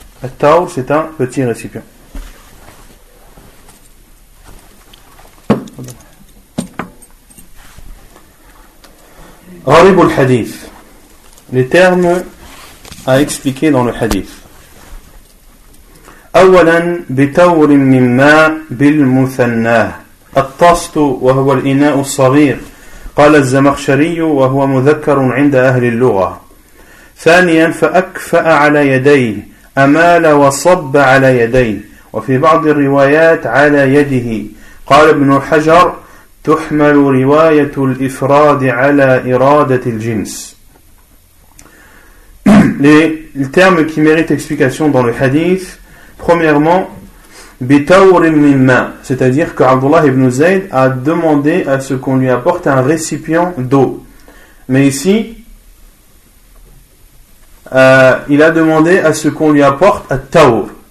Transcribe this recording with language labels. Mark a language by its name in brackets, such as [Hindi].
[French] At-Taur, c'est un petit récipient. Gharib al-Hadith. Les termes à expliquer dans le Hadith. [Arabic] أولا بتور من ماء بالمثنى الطست وهو الإناء الصغير قال الزمخشري وهو مذكر عند أهل اللغة ثانيا فأكفأ على يديه أمال وصب على يديه وفي بعض الروايات على يده قال ابن حجر تحمل رواية الإفراد على إرادة الجنس [French] les termes qui méritent explication dans le hadith. Premièrement, [Arabic] bitaurim mimma, [French] c'est-à-dire que Abdullah ibn Zayd a demandé à ce qu'on lui apporte un récipient d'eau. Mais ici, il a demandé à ce qu'on lui apporte un taur.